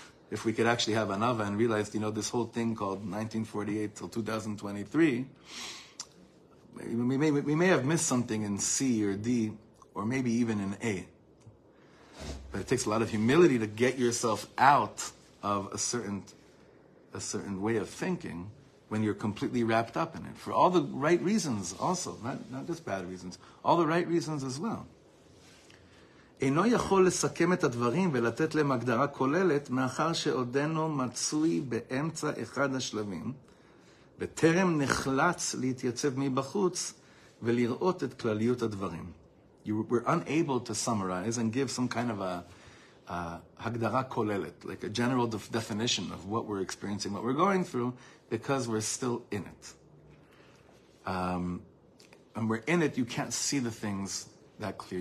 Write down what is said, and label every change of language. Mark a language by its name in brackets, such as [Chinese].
[English] If we could actually have anava and realize, you know, this whole thing called 1948 till 2023, we may have missed something in C or D, or maybe even in A. But it takes a lot of humility to get yourself out of a certain way of thinking when you're completely wrapped up in it. For all the right reasons also, not just bad reasons, all the right reasons as well. [Hebrew] אינו יכול לסכם את הדברים ולתת להם הגדרה כוללת מאחר שעודנו מצוי באמצע אחד השלבים וטרם נחלץ להתייצב מבחוץ ולראות את כלליות הדברים. [English] We're unable to summarize and give some kind of a [Hebrew] הגדרה כוללת, [English] like a general definition of what we're experiencing, what we're going through, because we're still in it. And we're in it, you can't see the things that clear.